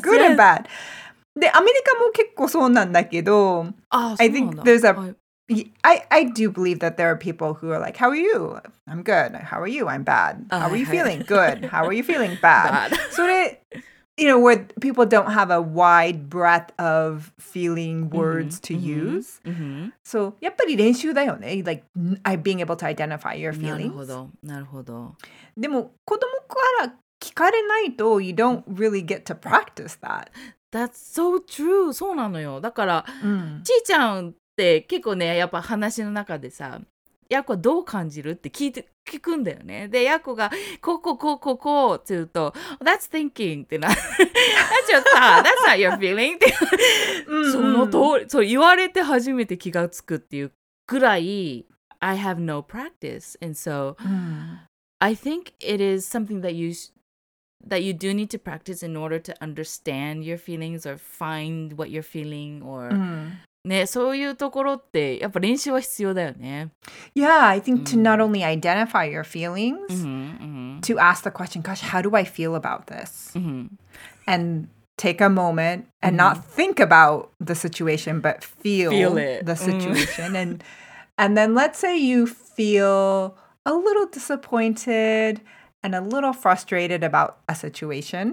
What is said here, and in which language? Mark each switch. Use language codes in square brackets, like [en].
[en] like, good and bad. [ja] で、アメリカも結構そうなんだけど、 [en] I think there's a... I do believe that there are people who are like, how are you? I'm good. How are you? I'm bad. How are you feeling? Good. How are you feeling? Bad. それ、you know, where people don't have a wide breadth of feeling words to use. [ja] So, やっぱり練習だよね。 [en] Like, being able to identify your feelings. [ja] なるほど。でも、子供から聞かれないと、 [en] you don't really get to practice that. That's so true. [ja] そうなのよ。だから、うん、ちーちゃんって結構ね、やっぱ話の中でさ、ヤコはどう感じるって聞くんだよね。で、ヤコがこうこうこうこうこうって言うと、 [en] That's thinking [ja] ってな。 [en] That's your thought. That's not your feeling. [ja] って、うん、その通り、そう言われて初めて気がつくっていうぐらい、 [en] I have no practice. And so,、うん、I think it is something that you do need to practice in order to understand your feelings or find what you're feeling or...、うん、 [ja] ね、そういうところってやっぱ練習は必要だよね。 [en] Yeah, I think、うん、to not only identify your feelings,、うんうん、 to ask the question, gosh, how do I feel about this?、うん、 and take a moment and、うん、not think about the situation, but feel the situation.、うん、and then let's say you feel a little disappointed,and a little frustrated about a situation.